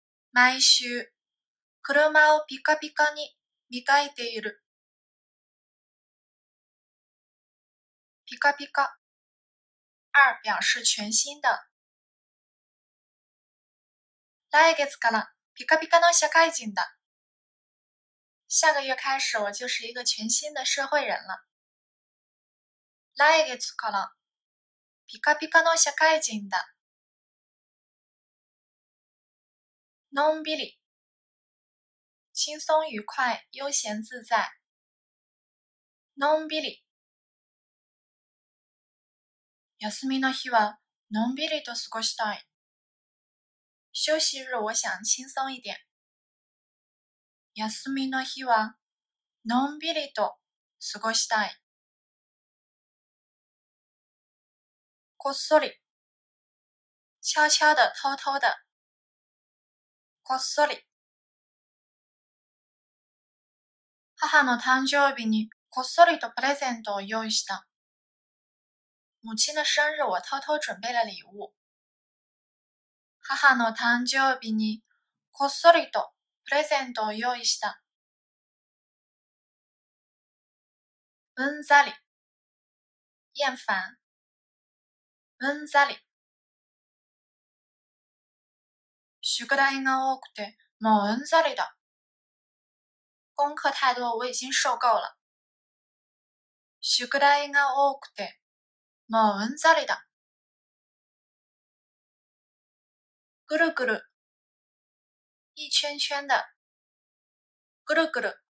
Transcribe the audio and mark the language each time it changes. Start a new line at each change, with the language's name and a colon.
Japanese: 毎週、車をピカピカに磨いている。ピカピカ。
Chinese: 二、表示全新的。
Japanese: 来月からピカピカの社会人だ。
Chinese: 下个月开始我就是一个全新的社会人了。
Japanese: 来月からピカピカの社会人だ。
Chinese: のんびり。轻松愉快、悠闲自在。
Japanese: のんびり。休みの日はのんびりと過ごしたい。
Chinese: 休息日我想轻松一点。
Japanese: 休みの日はのんびりと過ごしたい。こっそり、
Chinese: 悄悄的、偷偷的。
Japanese: こっそり。母の誕生日にこっそりとプレゼントを用意した。
Chinese: 母亲的生日我偷偷准备了礼物。
Japanese: 母の誕生日にこっそりとプレゼントを用意した。うんざり、厌烦。うんざり。宿題が多くてもううんざりだ。
Chinese: 功课太多我已经受够了。
Japanese: 宿題が多くてもううんざりだ。ぐるぐる。一圈圈的。ぐるぐる。